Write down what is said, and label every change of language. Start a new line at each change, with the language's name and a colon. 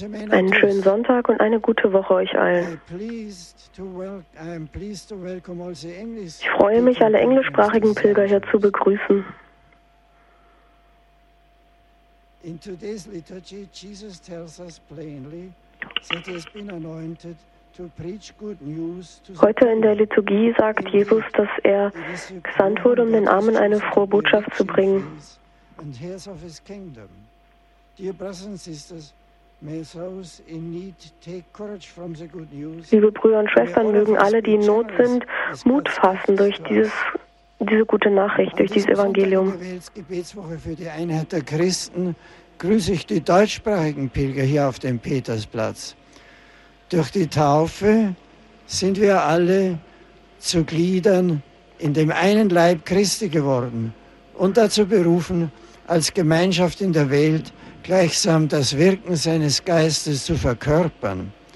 German: Einen schönen Sonntag und eine gute Woche euch allen. Ich freue mich, alle englischsprachigen Pilger hier zu begrüßen.
English: In today's liturgy, Jesus tells us plainly that he has been anointed to preach good news.
German: Heute in der Liturgie sagt Jesus, dass er gesandt wurde, um den Armen eine frohe Botschaft zu bringen.
English: And heirs of his kingdom. Dear brothers and sisters, may those in need take courage from the good news.
German: Liebe Brüder und Schwestern, mögen alle, die in Not sind, Mut fassen durch diese gute Nachricht, durch dieses Evangelium. An dieser Gebetswoche für die Einheit der Christen grüße ich die deutschsprachigen Pilger hier auf dem Petersplatz. Durch die Taufe sind wir alle zu Gliedern in dem einen Leib Christi geworden und dazu berufen, als Gemeinschaft in der Welt gleichsam das Wirken seines Geistes zu verkörpern.